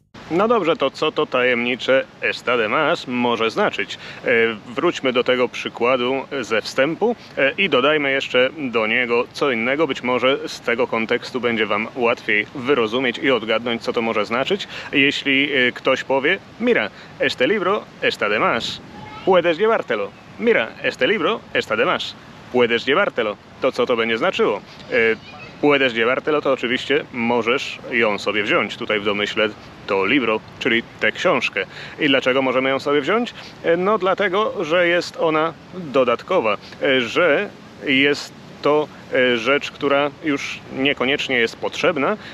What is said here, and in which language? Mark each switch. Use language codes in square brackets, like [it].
[pl] No dobrze, to co to tajemnicze [es] está de más [pl] może znaczyć? Wróćmy do tego przykładu ze wstępu i dodajmy jeszcze do niego co innego. Być może z tego kontekstu będzie Wam łatwiej wyrozumieć i odgadnąć, co to może znaczyć. Jeśli ktoś powie, [es] mira, este libro está de más. Puedes llevártelo. Mira, este libro está de más. Puedes llevártelo. [pl] To co to będzie znaczyło? [es] Puedes llevártelo, [pl] to oczywiście możesz ją sobie wziąć. Tutaj w domyśle to libro, czyli tę książkę. I dlaczego możemy ją sobie wziąć? No dlatego, że jest ona dodatkowa. Że jest to rzecz, która już niekoniecznie jest potrzebna.